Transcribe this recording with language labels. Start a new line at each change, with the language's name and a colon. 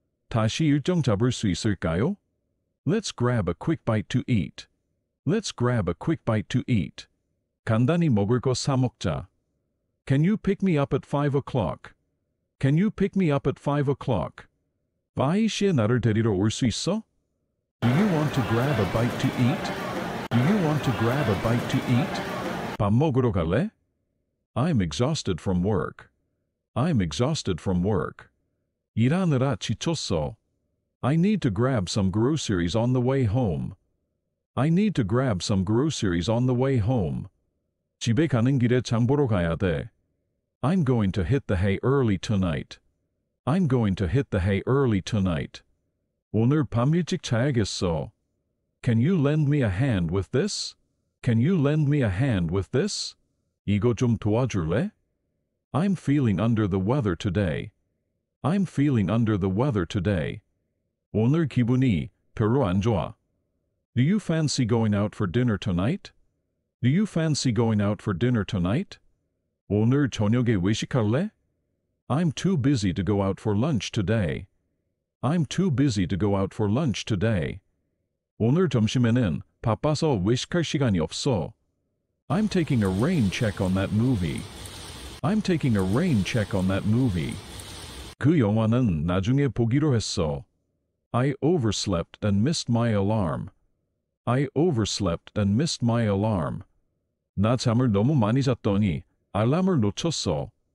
Korean: 다시 일정 잡을 수 있을까요?
English: Let's grab a quick bite to eat. Let's grab a quick bite to eat.
Korean: 간단히 먹을 거 사 먹자.
English: Can you pick me up at 5 o'clock? Can you pick me up at 5 o'clock?
Korean: 바이시에 나를 데리러 올 수 있어?
English: Do you want to grab a bite to eat? Do you want to grab a bite to eat?
Korean: 밥 먹으러 갈래?
English: I'm exhausted from work. I'm exhausted from work.
Korean: 일하느라 지쳤어.
English: I need to grab some groceries on the way home. I need to grab some groceries on the way home.
Korean: 집에 가는 길에 장 보러 가야 돼.
English: I'm going to hit the hay early tonight. I'm going to hit the hay early tonight.
Korean: 오늘 밤 일찍 자야겠어.
English: Can you lend me a hand with this? Can you lend me a hand with this?
Korean: 이거 좀 도와줄래?
English: I'm feeling under the weather today. I'm feeling under the weather today.
Korean: 오늘 기분이 별로 안 좋아.
English: Do you fancy going out for dinner tonight? Do you fancy going out for dinner tonight?
Korean: 오늘 저녁에 외식할래?
English: I'm too busy to go out for lunch today. I'm too busy to go out for lunch today.
Korean: 오늘 점심에는 바빠서 외식할 시간이 없어.
English: I'm taking a rain check on that movie. I'm taking a rain check on that movie.
Korean: 그 영화는 나중에 보기로 했어.
English: I overslept and missed my alarm. I overslept and missed my alarm.
Korean: 나 잠을 너무 많이 잤더니 알람을 놓쳤어.